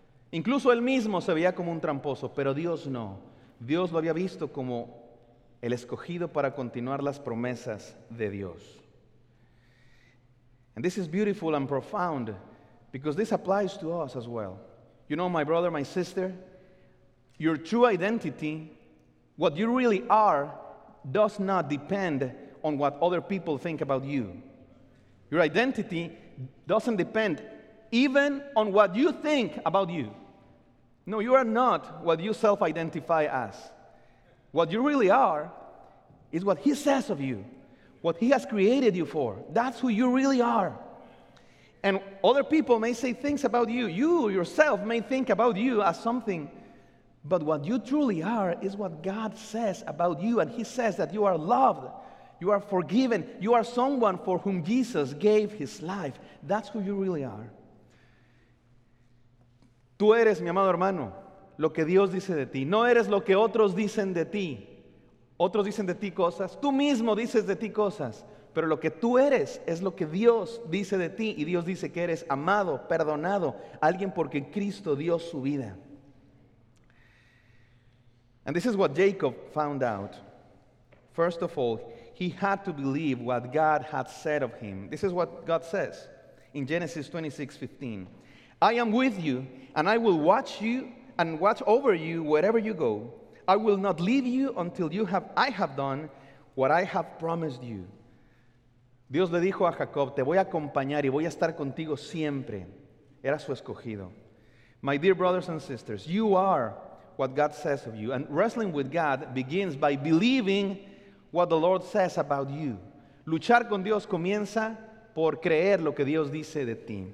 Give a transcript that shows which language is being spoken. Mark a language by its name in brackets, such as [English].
[Spanish] Incluso él mismo se veía como un tramposo, pero Dios no. Dios lo había visto como el escogido para continuar las promesas de Dios. [English] And this is beautiful and profound because this applies to us as well. You know, my brother, my sister, your true identity, what you really are, does not depend on what other people think about you. Your identity doesn't depend even on what you think about you. No, you are not what you self-identify as. What you really are is what He says of you, what He has created you for. That's who you really are. And other people may say things about you. You yourself may think about you as something, but what you truly are is what God says about you, and He says that you are loved, you are forgiven, you are someone for whom Jesus gave His life. That's who you really are. [Spanish] Tú eres, mi amado hermano, lo que Dios dice de ti. No eres lo que otros dicen de ti. Otros dicen de ti cosas. Tú mismo dices de ti cosas. Pero lo que tú eres es lo que Dios dice de ti. Y Dios dice que eres amado, perdonado, alguien porque Cristo dio su vida. [English] And this is what Jacob found out. First of all, he had to believe what God had said of him. This is what God says in Genesis 26:15. I am with you, and I will watch you and watch over you wherever you go. I will not leave you until I have done what I have promised you. [Spanish] Dios le dijo a Jacob, te voy a acompañar y voy a estar contigo siempre. Era su escogido. [English] My dear brothers and sisters, you are what God says of you. And wrestling with God begins by believing what the Lord says about you. [Spanish] Luchar con Dios comienza por creer lo que Dios dice de ti.